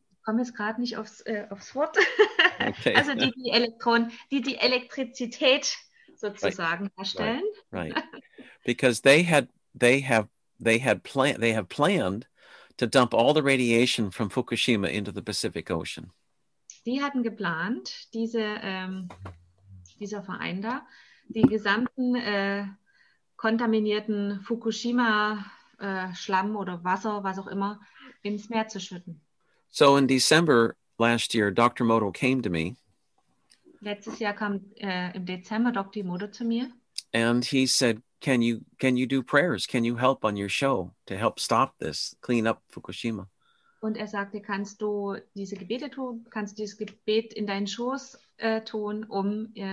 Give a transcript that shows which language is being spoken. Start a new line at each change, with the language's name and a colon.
German: Ich komme jetzt gerade nicht aufs Wort. Okay. Also die Elektrizität sozusagen herstellen.
English: Right. Because they have planned to dump all the radiation from Fukushima into the Pacific Ocean.
German: Die hatten geplant, dieser Verein da, die gesamten kontaminierten Fukushima Schlamm oder Wasser, was auch immer, ins Meer zu schütten.
English: So in December last year, Dr. Modo came to me.
German: Letztes Jahr kam im Dezember Dr. Modo zu mir.
English: And he said, can you do prayers? Can you help on your show to help stop this, clean up Fukushima?
German: Und er sagte, kannst du diese Gebete tun? Kannst du dieses Gebet in deinen Schoß tun, um